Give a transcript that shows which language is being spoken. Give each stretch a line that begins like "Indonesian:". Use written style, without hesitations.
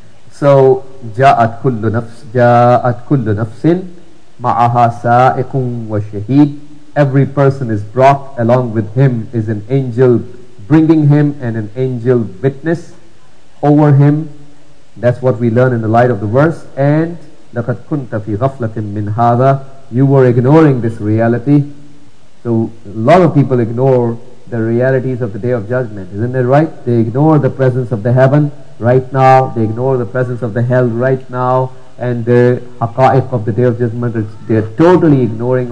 Arabic: So ja'at kullu nafsin ma'aha sa'iqun wa shahid.
English: Every person is brought along with him is an angel bringing him and an angel witness over him. That's what we learn in the light of the verse.
Arabic: And لَقَدْ كُنْتَ فِي غَفْلَةٍ مِّنْ هَذَا.
English: You were ignoring this reality. So a lot of people ignore the realities of the Day of Judgment. Isn't it right? They ignore the presence of the heaven right now. They ignore the presence of the hell right now. And the haqa'iq of the Day of Judgment, they're totally ignoring.